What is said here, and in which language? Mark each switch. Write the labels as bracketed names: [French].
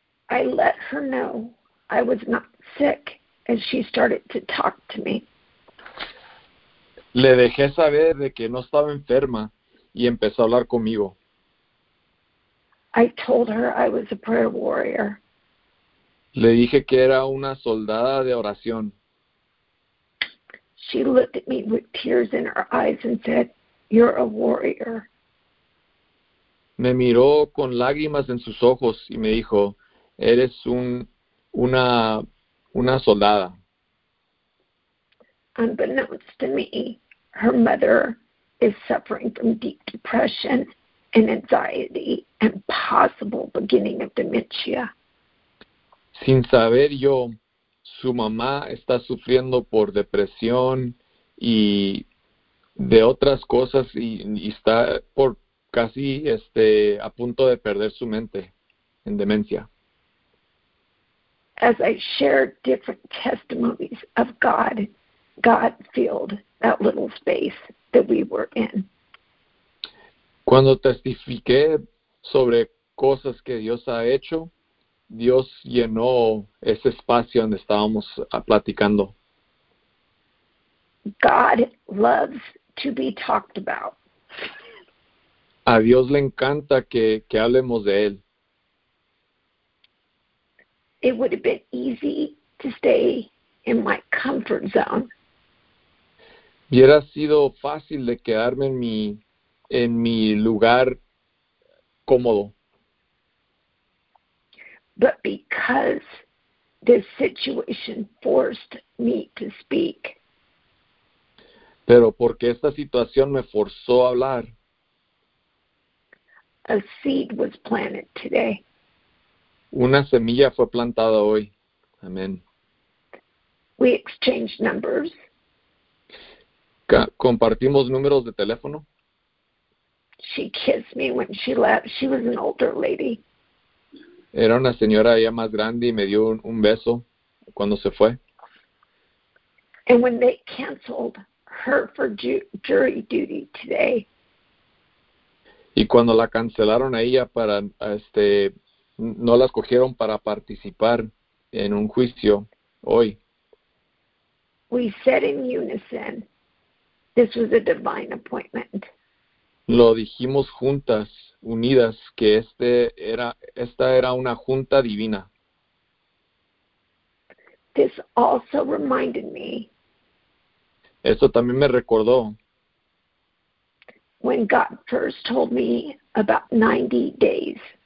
[English] I let her know I was not sick as she started to talk to me. [Spanish] Le dejé saber de que no estaba enferma y empezó a hablar conmigo. [English] I told her I was a prayer warrior. [Spanish] Le dije que era una soldada de oración. [English] She looked at me with tears in her eyes and said, "You're a warrior." [Spanish] Me miró con lágrimas en sus ojos y me dijo, "Eres una soldada." [English] Unbeknownst to me, her mother is suffering from deep depression and anxiety and possible beginning of dementia. [Spanish] Sin saber yo, su mamá está sufriendo por depresión y de otras cosas y está por casi a punto de perder su mente en demencia. [English] As I shared different testimonies of God, God filled that little space that we were in. [Spanish] Cuando testifiqué sobre cosas que Dios ha hecho, Dios llenó ese espacio donde estábamos platicando. [English] God loves to be talked about. [Spanish] A Dios le encanta que hablemos de él. [English] It would have been easy to stay in my comfort zone. [Spanish] Hubiera sido fácil de quedarme en mi lugar cómodo. [English] But because this situation forced me to speak. [Spanish] Pero porque esta situación me forzó a hablar. [English] A seed was planted today. [Spanish] Una semilla fue plantada hoy. Amén. [English] We exchanged numbers. [Spanish] Compartimos números de teléfono. [English] She kissed me when she left. She was an older lady. [Spanish] Era una señora ya más grande y me dio un beso cuando se fue. [English] And when they canceled her for jury duty today. [Spanish] Y cuando la cancelaron a ella para, no la escogieron para participar en un juicio hoy. [English] We said in unison, this was a divine appointment. [Spanish] Lo dijimos juntas, unidas, que esta era una junta divina. [English] This also reminded me. [Spanish] Esto también me recordó. [English] When God first told me about 90 days.